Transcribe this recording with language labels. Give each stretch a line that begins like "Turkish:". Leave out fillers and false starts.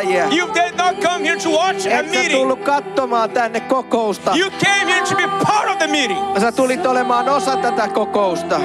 English: You did not come here to watch a meeting.
Finnish: Tullut katsomaan tänne kokousta.
English: You came here to be part of the meeting.
Finnish: Sä tulit olemaan osa tätä kokousta.